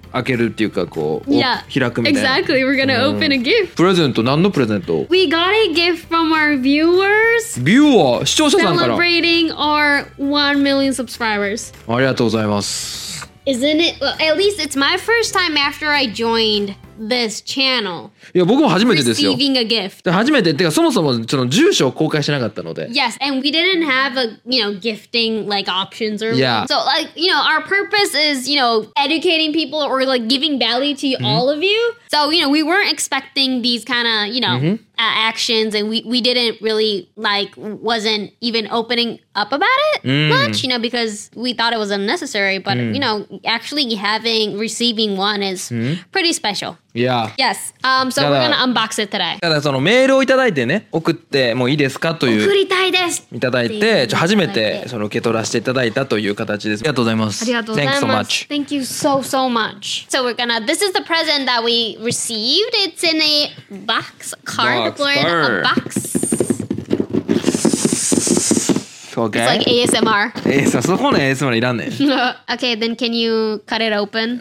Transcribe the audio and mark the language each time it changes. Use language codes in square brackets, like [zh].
[ja] 開けるっていうかこう、 [en] yeah. [ja] 開くみたいな [en] Exactly, we're gonna open a gift [ja] プレゼント、何のプレゼント [en] We got a gift from our viewers [ja] ビューワー、視聴者さんから [en] Celebrating our 1 million subscribers [ja] ありがとうございます [en] Isn't it, well, at least it's my first time after I joined this channel [ja] いや、僕も初めてですよ [en] Receiving a gift [ja] 初めて、ってかそもそもその住所を公開してなかったので [en] Yes, and we didn't have a, you know, gifting like options or Yeah So like, you know, our purpose is, you know, educating people or like giving value to mm-hmm. all of you So, you know, we weren't expecting these kind of, you know, mm-hmm. Actions and we didn't really like, wasn't even opening up about it much, you know, because we thought it was unnecessary But, you know, actually having, receiving one is pretty special Yeah. Yes. So we're gonna unbox it today. [ja] ただそのメールをいただいてね、送ってもういいですかという。送りたいです。いただいて、初めてその受け取らせていただいたという形です。ありがとうございます。ありがとうございます。 [en] Thanks so much. Thank you so, so much. So we're gonna, this is the present that we received. It's in a box, cardboard, a box. Okay. It's like ASMR. [ja] ASMR, そこの ASMR いらんねん。 [en] Okay, then can you cut it open?